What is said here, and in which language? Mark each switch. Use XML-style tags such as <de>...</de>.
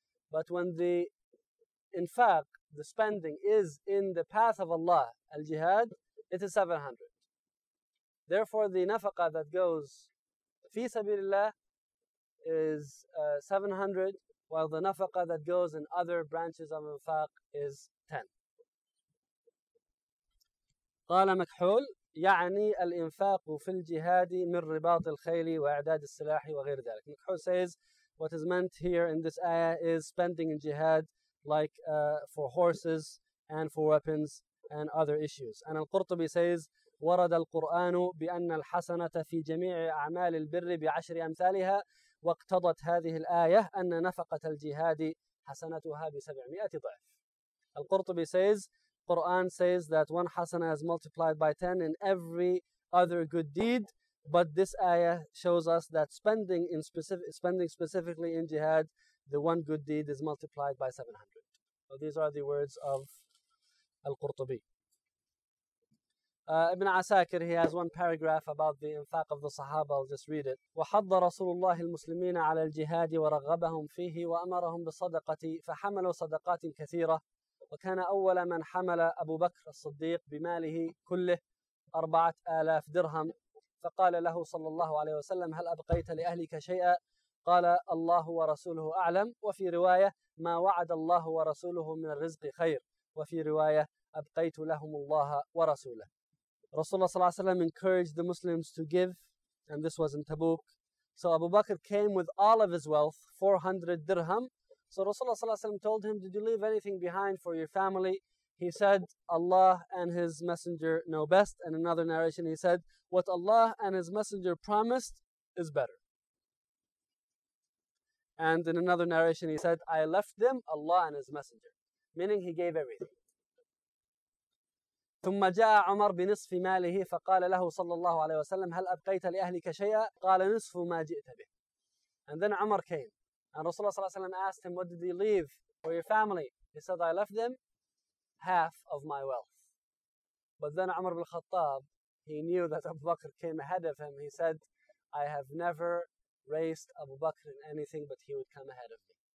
<en>But when the infaq, the spending is in the path of Allah, al-jihad, it is 700. Therefore, the nafaqah that goes fi sabilillah is 700, while the nafaqah that goes in other branches of infaq is 10.</en> <ar>قال مكحول يعني الإنفاق في الجهاد من رباط الخيل وإعداد السلاح وغير ذلك.</ar> <en>مكحول says, what is meant here in this ayah is spending in jihad like for horses and for weapons and other issues. And Al-Qurtubi says,</en> <ar>ورد القرآن بأن الحسنة في جميع أعمال البر بعشر أمثالها واقتضت هذه الآية أن نفقة الجهاد حسنتها بسبعمائة ضعف.</ar> <en>Al-Qurtubi says, Quran says that one hasana is multiplied by 10 in every other good deed, but this ayah shows us that spending specifically in jihad, the one good deed is multiplied by 700. So these are the words of Al-Qurtubi. Ibn Asakir, he has one paragraph about the infaq of the Sahaba. I'll just read it.</en> <ar>وحض رسول الله المسلمين على الجهاد ورغبهم فيه وأمرهم بالصدقة فحملوا صدقات كثيرة وكان أول من حمل أبو بكر الصديق بماله كله 4000 درهم فقال له صلى الله عليه وسلم هل أبقيت لأهلك شيئا؟ قال الله ورسوله أعلم وفي رواية ما وعد الله ورسوله من الرزق خير وفي رواية أبقيت لهم الله ورسوله. رسول الله صلى الله عليه وسلم</ar> <en>encouraged the Muslims to give, and this was in Tabuk. So Abu Bakr came with all of his wealth, 400 dirham. So Rasulullah</en> <ar>صلى الله عليه وسلم</ar> <en>told him, did you leave anything behind for your family? He said, Allah and His Messenger know best. And another narration, he said, what Allah and His Messenger promised is better. And in another narration, he said, I left them Allah and His Messenger. Meaning, he gave everything.</en> <ar>ثم جاء عمر بنصف ماله فقال له صلى الله عليه وسلم هل أبقيت لأهلك شيئا؟ قال نصف ما جئت به.</ar> <en>And then عمر came. And Rasulullah</en> <ar>صلى الله عليه وسلم</ar> <en>asked him, what did you leave for your family? He said, I left them half of my wealth. But then Umar bin Khattab, he knew that Abu Bakr came ahead of him. He said, I have never raced Abu Bakr in anything, but he would come ahead of me.</en>